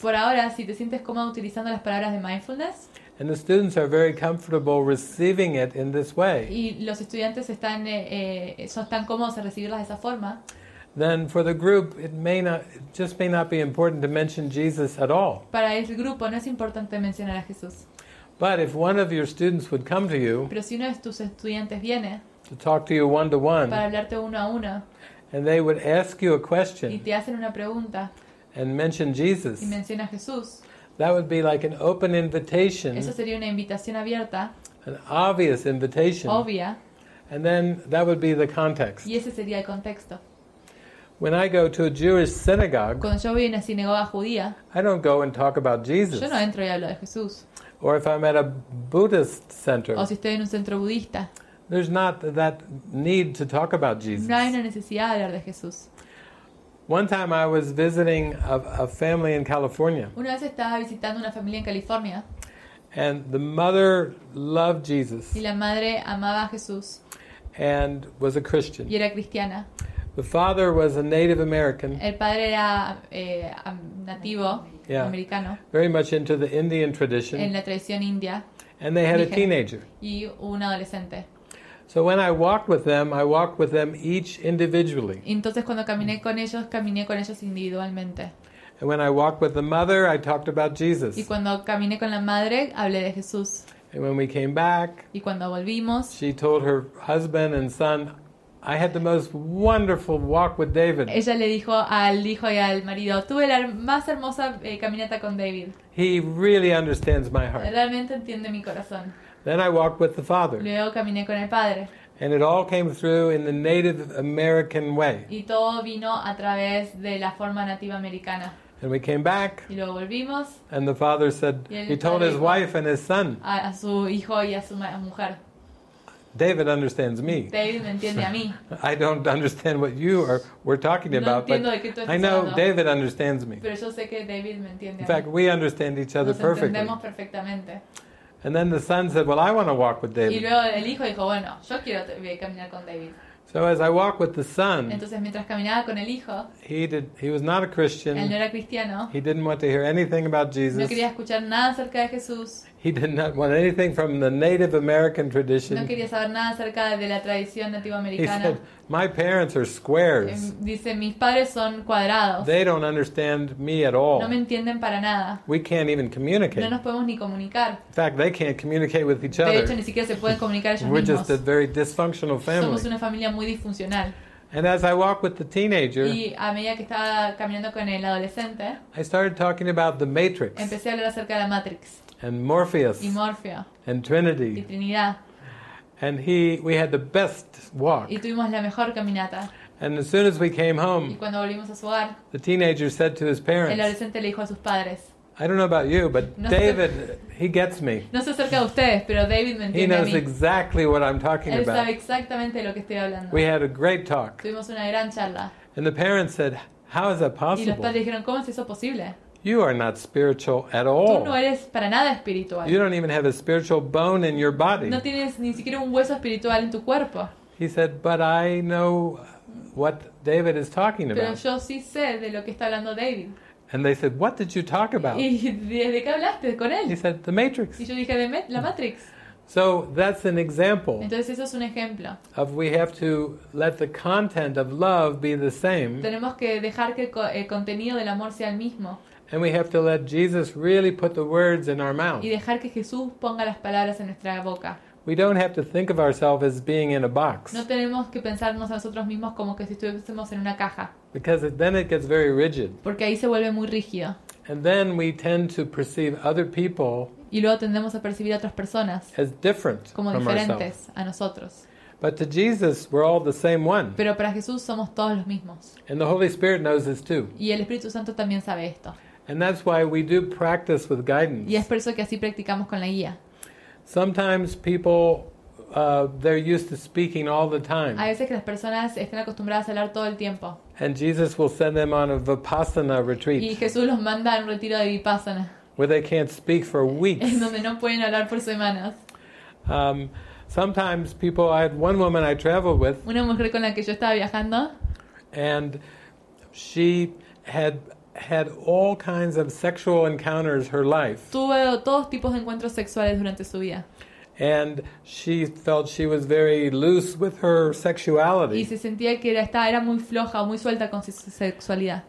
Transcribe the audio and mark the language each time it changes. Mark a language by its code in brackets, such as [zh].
[es] Por ahora, si te sientes cómodo utilizando las palabras de mindfulness. [en] And the students are very comfortable receiving it in this way. [es] Y los estudiantes están están cómodos a recibirlas de esa forma. [en] Then for the group, it may not be important to mention Jesus at all. [es] Para el grupo no es importante mencionar a Jesús. [en] But if one of your students would come to you, [es] pero si uno de tus estudiantes viene, [en] to talk to you one to one, [es] para hablarte uno a uno, [en] and they would ask you a question, [es] y te hacen una pregunta, [en] and mention Jesus, [es] y menciona a Jesús. [en] That would be like an open invitation. [es] Eso sería una invitación abierta. [en] An obvious invitation. [es] Obvia. [en] And then that would be the context. [es] Y ese sería el contexto. [en] When I go to a Jewish synagogue, [es] cuando yo voy a una sinagoga judía, [en] I don't go and talk about Jesus. [es] Yo no entro y hablo de Jesús. [en] Or if I'm at a Buddhist center. [es] O si estoy en un centro budista. [en] There's not that need to talk about Jesus. [es] No hay una necesidad de hablar de Jesús. [en] One time I was visiting a family in California. [es] Una vez estaba visitando una familia en California. [en] And the mother loved Jesus. [es] Y la madre amaba a Jesús. [en] And was a Christian. [es] Y era cristiana. [en] The father was a Native American. [es] El padre era nativo, yeah. Americano. [en] Very much into the Indian tradition. [es] En la tradición india. [en] And they had a teenager. [es] Y un adolescente. [en] So when I walked with them, I walked with them each individually. [es] Entonces cuando caminé con ellos, caminé con ellos individualmente. [en] And when I walked with the mother, I talked about Jesus. [es] Y cuando caminé con la madre, hablé de Jesús. [en] And when we came back, [es] y cuando volvimos, [en] she told her husband and son, "I had the most wonderful walk with David." [es] Ella le dijo al hijo y al marido, "Tuve la más hermosa caminata con David." [en] He really understands my heart. [es] Realmente entiende mi corazón. [en] Then I walked with the father. [es] Luego caminé con el padre. [en] And it all came through in the Native American way. [es] Y todo vino a través de la forma nativa americana. [en] And we came back. [es] Y luego volvimos. [en] And the father said, he told his wife and his son. [es] A su hijo y a su mujer. [en] David understands me. [es] David me entiende a mí. [en] I don't understand what you are we're talking [es] no [en] about, [es] entiendo [en] but [es] de qué tú estás [en] I know [es] hablando. [en] David understands me. [es] Pero yo sé que David me entiende [en] in fact, [es] a mí. [en] We understand each other [es] nos [en] perfectly. [es] Entendemos perfectamente. [en] And then the son said, "Well, I want to walk with David." [es] Y luego el hijo dijo, "Bueno, yo quiero caminar con David." [en] So as I walked with the son, [es] entonces mientras caminaba con el hijo, [en] he was not a Christian. [es] Él no era cristiano. [en] He didn't want to hear anything about Jesus. [es] No quería escuchar nada acerca de Jesús. [en] He did not want anything from the Native American tradition. [es] No quería saber nada acerca de la tradición nativa americana. [en] He said, "My parents are squares." [es] Dice, mis padres son cuadrados. [en] They don't understand me at all. [es] No me entienden para nada. [en] We can't even communicate. [es] No nos podemos ni comunicar. [en] In fact, they can't communicate with each other. [es] De hecho, ni siquiera se pueden comunicar ellos [en] We're [es] mismos. [en] Just a very dysfunctional family. [es] Somos una familia muy disfuncional. [en] And as I walk with the teenager, [es] y a medida que estaba caminando con el adolescente, [en] I started talking about the Matrix. [es] Empecé a hablar acerca de la Matrix. [en] And Morpheus. [es] Y Morfeo. [en] And Trinity. [es] Y Trinidad. [en] And we had the best walk. [es] Y tuvimos la mejor caminata. [en] And as soon as we came home, [es] y cuando volvimos a su hogar, [en] the teenager said to his parents, [es] el adolescente le dijo a sus padres, [en] I don't know about you, but David, he gets me. [es] No sé acerca de ustedes, pero David me entiende. [en] He knows exactly what I'm talking about. [es] Él sabe exactamente lo que estoy hablando. [en] We had a great talk. [es] Tuvimos una gran charla. [en] And the parents said, "How is that possible?" [es] Y los padres dijeron, ¿cómo es eso posible? [en] You are not spiritual at all. [es] Tú no eres para nada espiritual. [en] You don't even have a spiritual bone in your body. [es] No tienes ni siquiera un hueso espiritual en tu cuerpo. [en] He said, "But I know what David is talking about." [es] Pero yo sí sé de lo que está hablando David. [en] And they said, "What did you talk about?" [es] ¿De qué hablaste con él? [en] He said, "The Matrix." [es] Y yo dije, la Matrix. [en] So that's an example. [es] Entonces eso es un ejemplo. [en] Of we have to let the content of love be the same. [es] Tenemos que dejar que el contenido del amor sea el mismo. [en] And we have to let Jesus really put the words in our mouth. [es] Y dejar que Jesús ponga las palabras en nuestra boca. [en] We don't have to think of ourselves as being in a box. [es] No tenemos que pensarnos a nosotros mismos como que si estuviésemos en una caja. [en] Because then it gets very rigid. [es] Porque ahí se vuelve muy rígido. [en] And then we tend to perceive other people. [es] Y luego tendemos a percibir a otras personas [en] as different [es] como diferentes [en] from [es] a nosotros. [en] But to Jesus, we're all the same one. [es] Pero para Jesús somos todos los mismos. [en] And the Holy Spirit knows this too. [es] Y el Espíritu Santo también sabe esto. [en] And that's why we do practice with guidance. [es] Y es por eso que así practicamos con la guía. [en] Sometimes people they're used to speaking all the time. [es] A veces que las personas están acostumbradas a hablar todo el tiempo. [en] And Jesus will send them on a vipassana retreat. [es] Y Jesús los manda a un retiro de vipassana. [en] Where they can't speak for weeks. [es] En donde no pueden hablar por semanas. [en] Sometimes people. I had one woman I traveled with. [es] Una mujer con la que yo estaba viajando. [en] And she had all kinds of sexual encounters her life. [es] Tuvo todos tipos de encuentros sexuales durante su vida. [en] And she felt she was very loose with her sexuality. [es] Y se sentía que era muy floja, muy suelta con su sexualidad.